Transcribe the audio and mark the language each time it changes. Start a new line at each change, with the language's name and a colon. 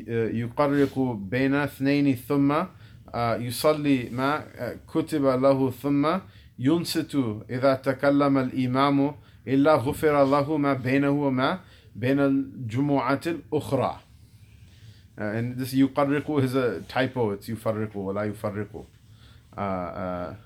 Arabic: يقرق بين اثنين ثم يصلي ما كتب له ثم ينصت إذا تكلم الإمام إلا غفر الله ما بينه وما بين الجمعة الأخرى.
English: And this يقرق is a typo.
Arabic: It's يفرق ولا يفرق.